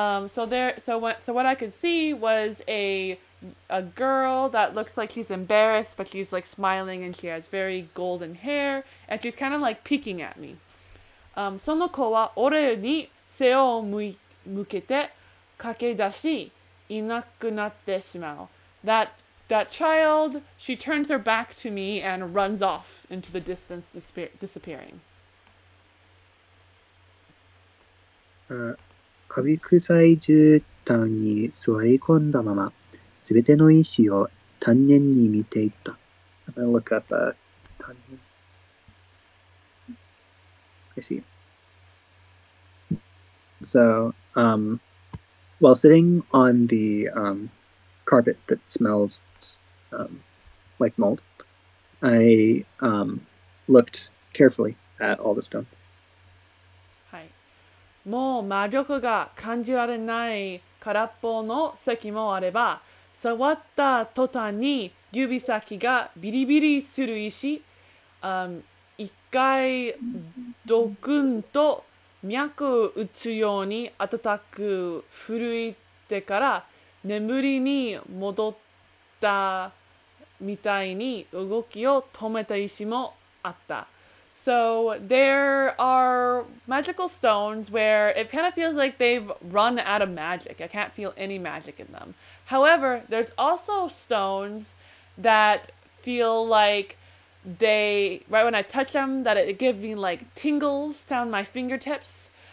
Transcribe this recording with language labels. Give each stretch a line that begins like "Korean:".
English: So what I could see was a girl that looks like she's embarrassed, but she's like smiling and she has very golden hair. And she's kind of like peeking at me.
Japanese: その子は俺に背を向けて駆け出しいなくなってしまう。
English: That child, she turns her back to me and runs off into the distance, disappearing.
Japanese: 壁臭い絨毯に座り込んだまま、すべての石を丹念に見ていた。
English: I look at the dungeon. I see. So, while sitting on the carpet that smells like mold, I looked carefully at all the stones. Hi.
Japanese: もう魔力が感じられない空っぽの席もあれば、触った途端に指先がビリビリする石、一回ドクンと脈打つように暖く震えてから眠りに戻ったみたいに動きを止めた石もあった。
English: So there are magical stones where it kind of feels like they've run out of magic. I can't feel any magic in them. However, there's also stones that feel like they, right when I touch them, that it gives me like tingles down my fingertips.